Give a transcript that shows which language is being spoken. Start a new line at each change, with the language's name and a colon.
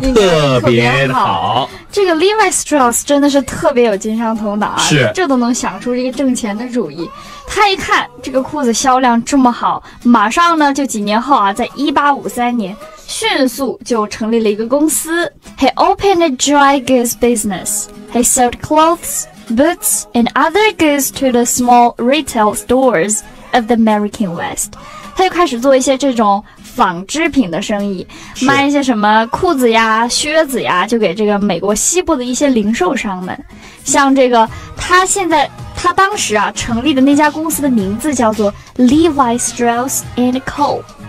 Chinese: 特别好。这个 Levi Strauss 真的是特别有经商头脑啊，是，这都能想出这个挣钱的主意。他一看这个裤子销量这么好，马上呢就几年后啊，在1853年迅速就成立了一个公司。
English: He opened a dry goods business. He sold clothes, boots, and other goods to the small retail stores of the American West.
Chinese: 他就开始做一些这种纺织品的生意，卖一些什么裤子呀、靴子呀，就给这个美国西部的一些零售商们。像这个他当时成立的那家公司的名字叫做 Levi Strauss and Co.